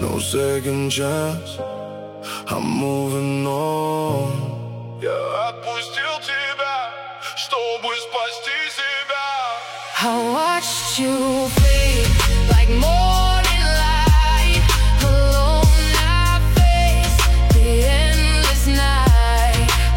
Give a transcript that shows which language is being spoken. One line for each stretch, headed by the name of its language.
English: Second chance, I'm moving on.
Russian: Я отпустил тебя, чтобы спасти себя.
English: I watched you fade like morning light. Alone I face the endless night.